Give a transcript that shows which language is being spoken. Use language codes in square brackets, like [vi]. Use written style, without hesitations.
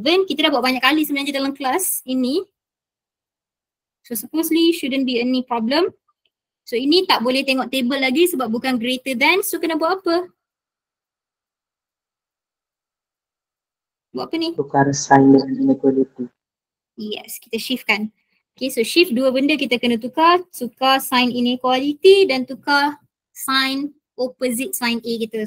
[ms] Kita dah buat banyak kali sebenarnya dalam kelas ini. [en] So supposedly shouldn't be any problem. [ms] So ini tak boleh tengok table lagi sebab bukan greater than. So kena buat apa? Buat apa ni? Tukar sign dengan inequality. Yes, kita shift kan. Okay, so shift dua benda kita kena tukar. Tukar sign inequality dan tukar sign opposite sign A kita.